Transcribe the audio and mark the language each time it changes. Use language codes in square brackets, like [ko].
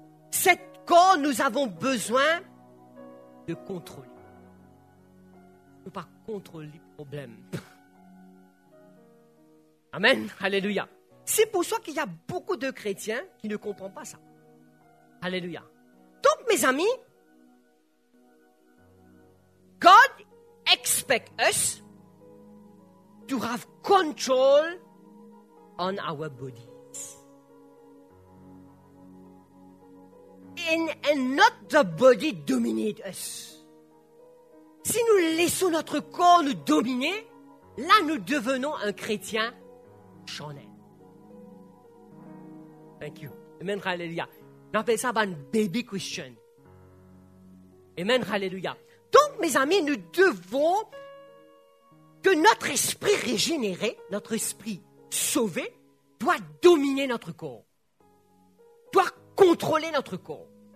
[fr] Cet corps, nous avons besoin de contrôler. On ne peut pas contrôler les problèmes. Amen. Alléluia. C'est pour ça qu'il y a beaucoup de chrétiens qui ne comprennent pas ça. Alléluia. Donc, mes amis, [en] God expects us to have control on our bodies. And not the body dominate us. [fr] Si nous laissons notre corps nous dominer, là nous devenons un chrétien charnel. [en] Thank you. [fr] Amen, hallelujah. J'appelle ça un baby Christian. Amen, hallelujah. Donc, mes amis, nous devons que notre esprit régénéré, notre esprit sauvé, doit dominer notre corps, doit contrôler notre corps.